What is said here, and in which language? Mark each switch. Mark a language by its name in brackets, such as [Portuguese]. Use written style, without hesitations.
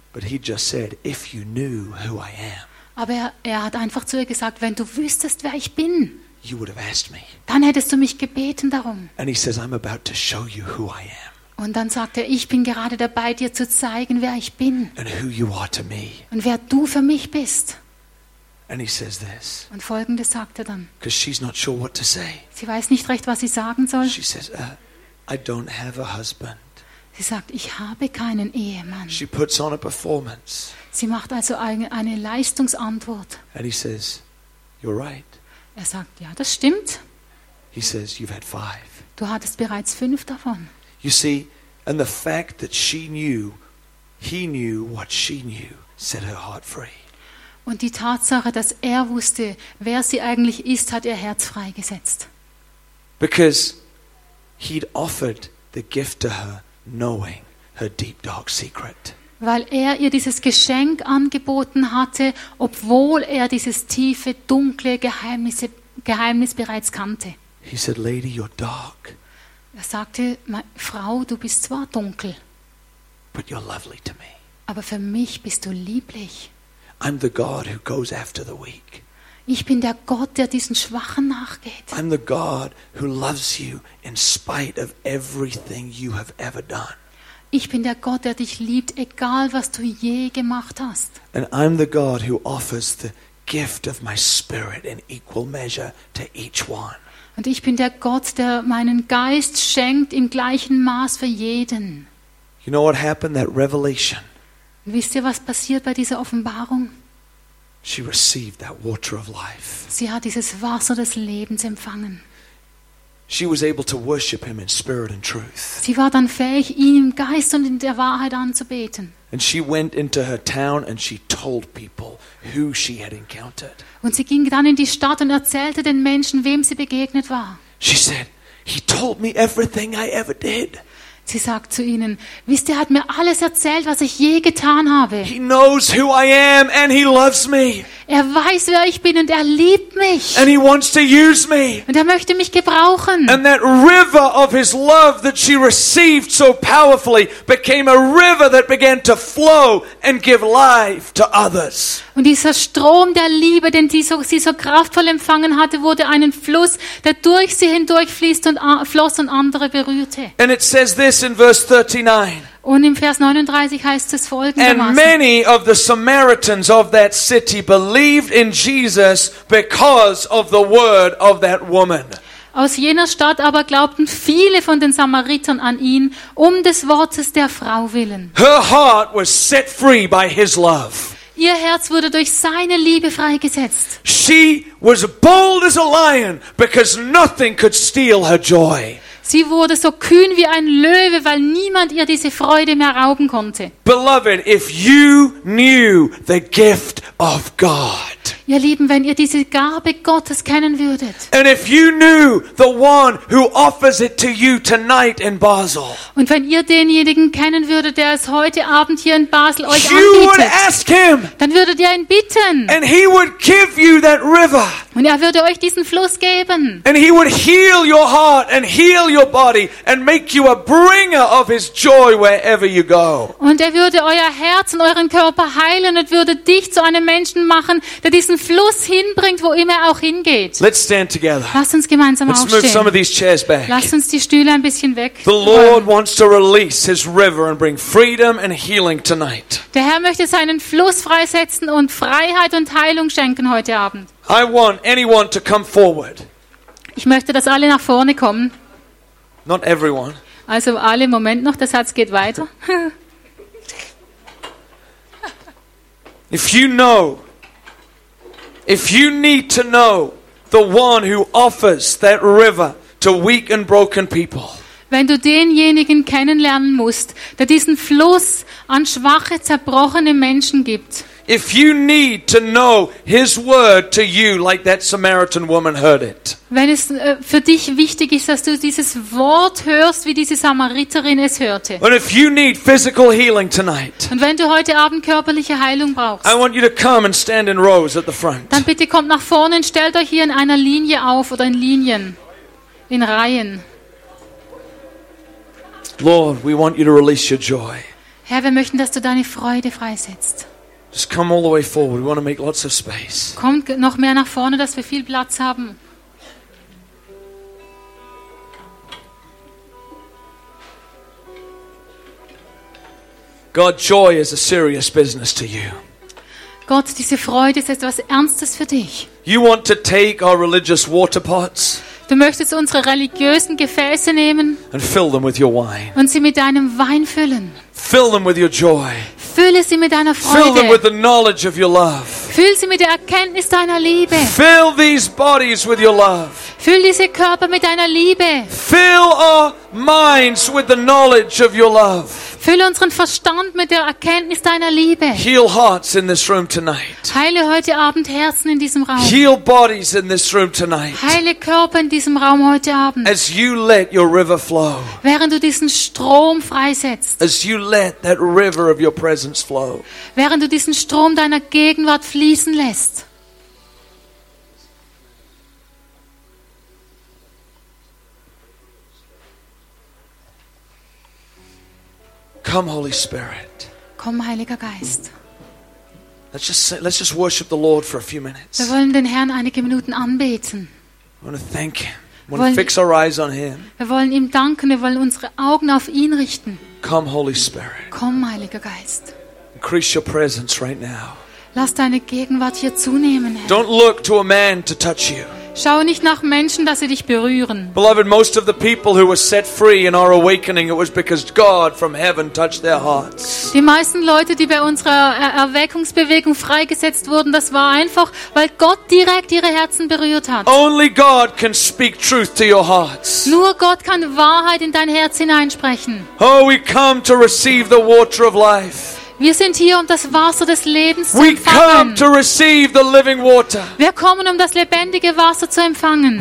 [English] But he just said, if you knew who I am. [German] Aber er hat einfach zu ihr gesagt, wenn du wüsstest, wer ich bin, [English] you would have asked me. [German] Dann hättest du mich gebeten darum. [English] And he says, I'm about to show you who I am. [German] Und dann sagt er, ich bin gerade dabei, dir zu zeigen, wer ich bin. [English] And who you are to me. [German] Und wer du für mich bist. [English] And he says this. [German] Und Folgendes sagt er dann. [English] Because she's not sure what to say. [German] Sie weiß nicht recht, was sie sagen soll. [English] She says, I don't have a husband. [German] Sie sagt, ich habe keinen Ehemann. [English] She puts on a performance. [German] Sie macht also eine Leistungsantwort. [English] And he says, you're right. [German] Er sagt, ja, das stimmt. [English] He says, you've had 5. [German] Du hattest bereits 5 davon. [English] You see, and the fact that she knew, he knew what she knew, set her heart free. [German] Und die Tatsache, dass er wusste, wer sie eigentlich ist, hat ihr Herz freigesetzt. [English] Because he'd offered the gift to her, knowing her deep dark secret. [German] Weil er ihr dieses Geschenk angeboten hatte, obwohl er dieses tiefe, dunkle Geheimnis bereits kannte. [English] He said, "Lady, you're dark." [German] Er sagte, Frau, du bist zwar dunkel, [English] but you're lovely to me. [German] Aber für mich bist du lieblich. [English] I'm the God who goes after the weak. [German] Ich bin der Gott, der diesen Schwachen nachgeht. [English] I'm the God who loves you in spite of everything you have ever done. [German] Ich bin der Gott, der dich liebt, egal was du je gemacht hast. [English] And I'm the God who offers the gift of my spirit in equal measure to each one. [German] Und ich bin der Gott, der meinen Geist schenkt im gleichen Maß für jeden. [English] You know what happened, that revelation? [German] Wisst ihr, was passiert bei dieser Offenbarung? [English] She received that water of life. [German] Sie hat dieses Wasser des Lebens empfangen. [English] She was able to worship him in spirit and truth. [German] Sie war dann fähig, ihn im Geist und in der Wahrheit anzubeten. [English] And she went into her town and she told people who she had encountered. [German] Und sie ging dann in die Stadt und erzählte den Menschen, wem sie begegnet war. [English] She said, "He told me everything I ever did." [German] Sie sagt zu ihnen, wisst ihr, er hat mir alles erzählt, was ich je getan habe. [English] He knows who I am and he loves me. [German] Er weiß, wer ich bin und er liebt mich. [English] And he wants to use me. [German] Und er möchte mich gebrauchen. [English] And that river of his love that she received so powerfully became a river that began to flow and give life to others. [German] Und dieser Strom der Liebe, den sie so kraftvoll empfangen hatte, wurde ein Fluss, der durch sie hindurchfließt und floss und andere berührte. [English] And it says this in verse 39. [German] Und im Vers 39 heißt es folgendermaßen. [English] And many of the Samaritans of that city believed in Jesus because of the word of that woman. [German] Aus jener Stadt aber glaubten viele von den Samaritern an ihn um des Wortes der Frau willen. [English] Her heart was set free by his love. [German] Ihr Herz wurde durch seine Liebe freigesetzt. [English] She was bold as a lion because nothing could steal her joy. [German] Sie wurde so kühn wie ein Löwe, weil niemand ihr diese Freude mehr rauben konnte. [English] Beloved, if you knew the gift of God. [German] Ihr Lieben, wenn ihr diese Gabe Gottes kennen würdet. [English] And if you knew the one who offers it to you tonight in Basel. [German] Und wenn ihr denjenigen kennen würdet, der es heute Abend hier in Basel euch [English] you [German] anbietet. [English] Would ask him. [German] Dann würdet ihr ihn bitten. [English] And he would give you that river. [German] Und er würde euch diesen Fluss geben. [English] And he would heal your heart and heal your body and make you a bringer of his joy wherever you go. [German] Und er würde euer Herz und euren Körper heilen und würde dich zu einem Menschen machen, der diesen Fluss hinbringt, wo immer er auch hingeht. [English] Let's stand together. [German] Lasst uns gemeinsam [English] Let's [German] aufstehen. [English] Move some of these chairs back. [German] Lasst uns die Stühle ein bisschen weg. [English] The Lord wants to release his river and bring freedom and healing tonight. [German] Der Herr möchte seinen Fluss freisetzen und Freiheit und Heilung schenken heute Abend. [English] I want anyone to come forward. [German] Ich möchte, dass alle nach vorne kommen. [English] Not everyone. [German] Also alle, Moment noch, der Satz geht weiter. [English] If you know, if you need to know the one who offers that river to weak and broken people. [German] Wenn du denjenigen kennenlernen musst, der diesen Fluss an schwache, zerbrochene Menschen gibt. [English] If you need to know his word to you like that Samaritan woman heard it. [German] Wenn es für dich wichtig ist, dass du dieses Wort hörst, wie diese Samariterin es hörte. [English] And if you need physical healing tonight. [German] Und wenn du heute Abend körperliche Heilung brauchst. [English] I want you to come and stand in rows at the front. [German] Dann bitte kommt nach vorne und stellt euch hier in einer Linie auf oder in Linien. In Reihen. [English] Lord, we want you to release your joy. [German] Herr, wir möchten, dass du deine Freude freisetzt. [English] Just come all the way forward. We want to make lots of space. [German] Kommt noch mehr nach vorne, dass wir viel Platz haben. [English] God, joy is a serious business to you. [German] Gott, diese Freude ist etwas Ernstes für dich. [English] You want to take our religious water pots. [German] Du möchtest unsere religiösen Gefäße nehmen. [English] And fill them with your wine. [German] Und sie mit deinem Wein füllen. [English] Fill them with your joy. [German] Fülle sie mit deiner Freude. [English] Fill them with the knowledge of your love. [German] Fülle sie mit der Erkenntnis deiner Liebe. [English] Fill these bodies with your love. [German] Fülle diese Körper mit deiner Liebe. [English] Fill our minds with the knowledge of your love. [German] Fülle unseren Verstand mit der Erkenntnis deiner Liebe. [English] Heal hearts in this room tonight. [German] Heile heute Abend Herzen in diesem Raum. [English] Heal bodies in this room tonight. [German] Heile Körper in diesem Raum heute Abend. [English] As you let your river flow. [German] Während du diesen Strom freisetzt. [English] As you let that river of your presence flow. [German] Während du diesen Strom deiner Gegenwart fließen lässt. [English] Come, Holy Spirit. [German] Komm, Heiliger Geist. [English] Let's just worship the Lord for a few minutes. [German] Wir wollen den Herrn einige Minuten anbeten. [English] We want to thank him. We want to fix our eyes on him. [German] Wir wollen ihm danken. Wir wollen unsere Augen auf ihn richten. [English] Come, Holy Spirit. [German] Komm, Heiliger Geist. [English] Increase your presence right now. [German] Lass deine Gegenwart hier zunehmen, Herr. [English] Don't look to a man to touch you. [German] Schau nicht nach Menschen, dass sie dich berühren. [English] Beloved, most of the people who were set free in our awakening, it was because God from heaven touched their hearts. [German] Die meisten Leute, die bei unserer Erweckungsbewegung freigesetzt wurden, das war einfach, weil Gott direkt ihre Herzen berührt hat. [English] Only God can speak truth to your hearts. [German] Nur Gott kann Wahrheit in dein Herz hineinsprechen. [English] Oh, we come to receive the water of life. [German] Wir sind hier, um das Wasser des Lebens zu empfangen. [English] We come to receive the living water. [German] Wir kommen, um das lebendige Wasser zu empfangen.